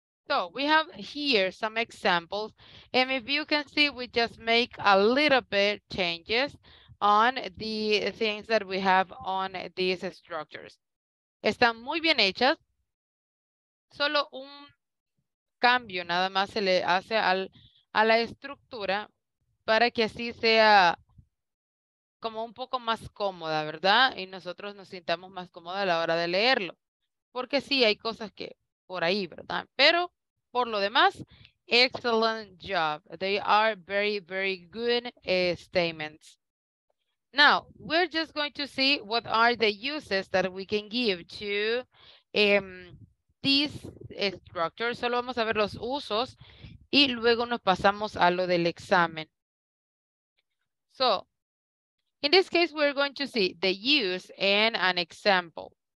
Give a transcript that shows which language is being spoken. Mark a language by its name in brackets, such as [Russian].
[English] So, we have here some examples, and if you can see, we just make a little bit changes on the things that we have on these structures. [Spanish] Están muy bien hechas. Solo un cambio nada más se le hace a la estructura para que así sea como un poco más cómoda, ¿verdad? Y nosotros nos sintamos más cómodos a la hora de leerlo. Porque sí, hay cosas que por ahí, ¿verdad? Pero por lo demás, [English] excellent job. They are very, very good statements. Now, we're just going to see what are the uses that we can give to these structures. [Spanish] Solo vamos a ver los usos y luego nos pasamos a lo del examen. [English] So, in this case, we're going to see the use and an example.